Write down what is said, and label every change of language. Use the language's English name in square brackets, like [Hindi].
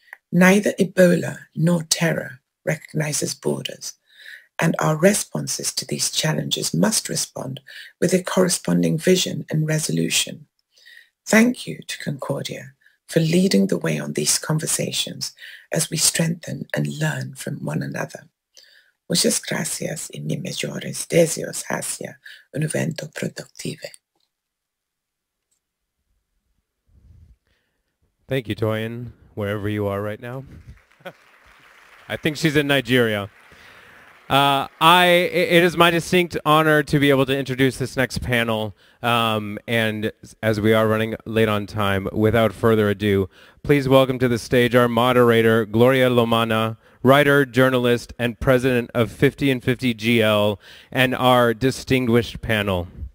[English] Neither Ebola nor terror recognizes borders, and our responses to these challenges must respond with a corresponding vision and resolution. Thank you to Concordia for leading the way on these conversations as we strengthen and learn from one another. [Spanish] Muchas gracias y mis mejores deseos hacia un evento productivo. [English] Thank you, Toyin, wherever you are right now. I think she's in Nigeria. It is my distinct honor to be able to introduce this next panel. And as we are running late on time, without further ado, please welcome to the stage our moderator, Gloria Lomana, writer, journalist, and president of 50 and 50 GL, and our distinguished panel.